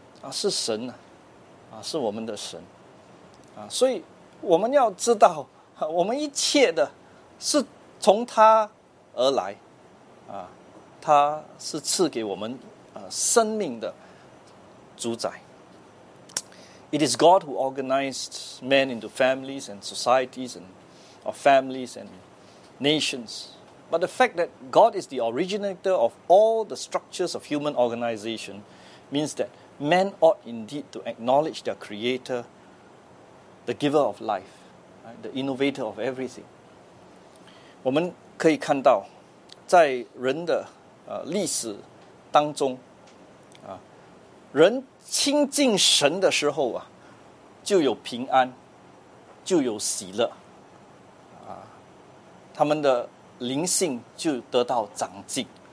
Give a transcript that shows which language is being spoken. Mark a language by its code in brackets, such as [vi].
[zh] 是神是我们的神啊，所以我们要知道，我们一切的是从他而来啊，他是赐给我们生命的主宰。 [en] It is God who organized men into families and societies and of families and nations. But the fact that God is the originator of all the structures of human organization means that men ought indeed to acknowledge their creator, the giver of life, right, the innovator of everything. [zh] 我们可以看到在人的历史当中人亲近神的时候就有平安，就有喜乐，他们的灵性就得到长进。